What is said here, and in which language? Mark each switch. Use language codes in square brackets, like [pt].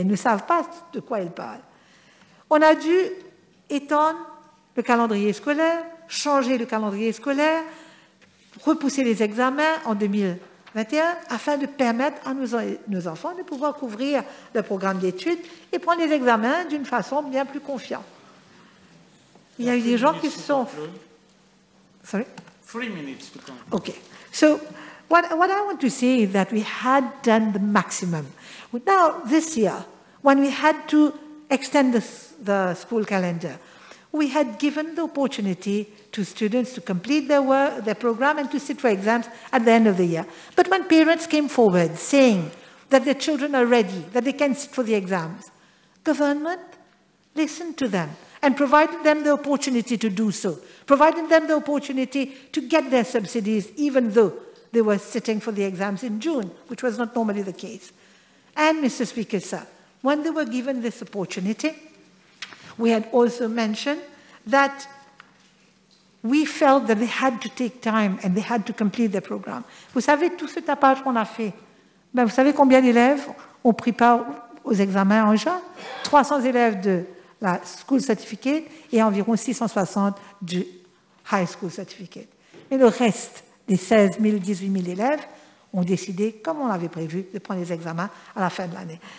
[fr] Ils ne savent pas de quoi ils parlent. On a dû étendre le calendrier scolaire, changer le calendrier scolaire, repousser les examens en 2021 afin de permettre à nos enfants de pouvoir couvrir le programme d'études et prendre les examens d'une façon bien plus confiante. Il y a eu des gens qui se sont... [en] Three minutes to come. Okay. So what I want to say is that we had done the maximum. Now, this year, when we had to extend the school calendar, we had given the opportunity to students to complete their work, their program, and to sit for exams at the end of the year. But when parents came forward saying that their children are ready, that they can sit for the exams, government listened to them and provided them the opportunity to do so, provided them the opportunity to get their subsidies, even though they were sitting for the exams in June, which was not normally the case. And, Mr. Speaker, sir, when they were given this opportunity, we had also mentioned that we felt that they had to take time and they had to complete their program. [fr] Vous savez tout ce tapage qu'on a fait? Ben, vous savez combien d'élèves ont pris part aux examens en juin? 300 élèves de la school certificate et environ 660 du high school certificate. Mais le reste des 16 000, 18 000 élèves ont décidé, comme on l'avait prévu, de prendre les examens à la fin de l'année.